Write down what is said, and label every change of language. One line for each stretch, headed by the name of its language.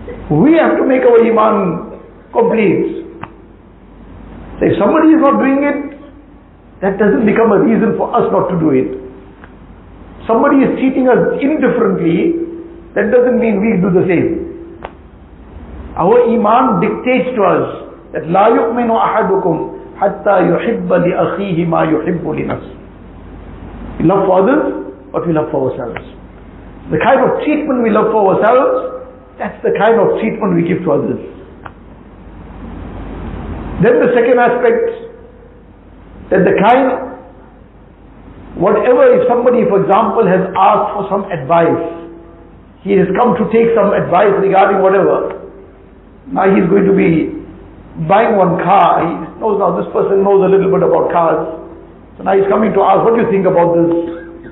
English: We have to make our iman complete. So if somebody is not doing it, that doesn't become a reason for us not to do it. Somebody is treating us indifferently, that doesn't mean we do the same. Our iman dictates to us that
Arabic: لا يؤمن أحدكم حتى يحب لأخيه ما يحب لنفسه.
English: We love for others, but we love for ourselves. The kind of treatment we love for ourselves, that's the kind of treatment we give to others. Then the second aspect, that the kind, whatever, if somebody, for example, has asked for some advice, he has come to take some advice regarding whatever, now he's going to be buying one car, he knows now, this person knows a little bit about cars, so now he's coming to ask, what do you think about this?